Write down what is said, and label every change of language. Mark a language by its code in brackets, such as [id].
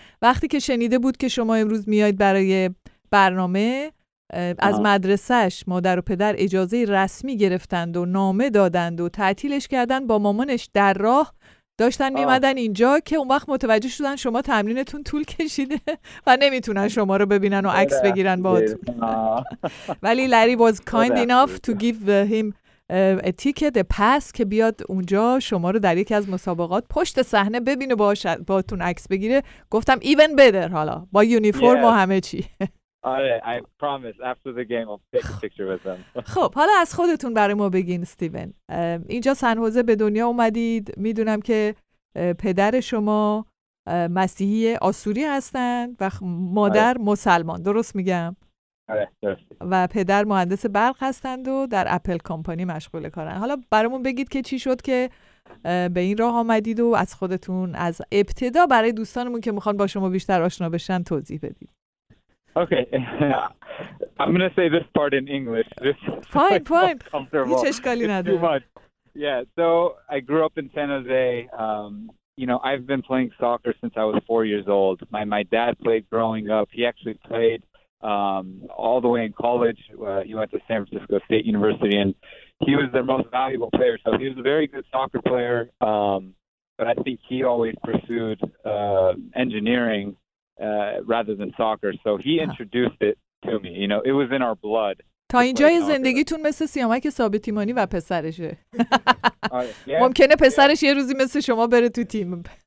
[fa] وقتی که شنیده بود که شما امروز میایید برای برنامه، از مدرسهش مادر و پدر اجازه رسمی گرفتند و نامه دادند و تعطیلش کردن، با مامانش در راه داشتن میمدن اینجا که اون وقت متوجه شدن شما تمرینتون طول کشیده و نمیتونن شما رو ببینن و عکس بگیرن باهاتون. ولی لری [en] was kind enough to give him a ticket, a pass [fa] که بیاد اونجا شما رو در یکی از مسابقات پشت صحنه ببینه، باهاتون عکس بگیره. گفتم [en] even better، [fa] حالا با یونیفرم و همه چی. [en] I promise after the game I'll take a picture with them. [fa] خب حالا از خودتون برای ما بگین استیون. اینجا سن هوزه به دنیا اومدید. میدونم که پدر شما مسیحی آسوری هستند و مادر مسلمان، درست میگم؟ آره. و پدر مهندس برق هستند و در اپل کمپانی مشغول کارن. حالا برامون بگید که چی شد که به این راه اومدید و از خودتون از ابتدا برای دوستانمون که میخوان با شما بیشتر آشنا بشن توضیح بدید. [en] Okay. I'm going to say this part in English. Fine. It's too much. Yeah, so I grew up in San Jose. You know, I've been playing soccer since I was 4 years old. My dad played growing up. He actually played all the way in college. He went to San Francisco State University, and he was their most valuable player. So he was a very good soccer player, but I think he always pursued engineering rather than soccer. So he introduced it to me. You know, it was in our blood. [fa] تا اینجای زندگیتون مثل سیامک ثابت‌ایمانی و پسرشه. ممکنه پسرش یه روزی مثل شما بره تو تیم.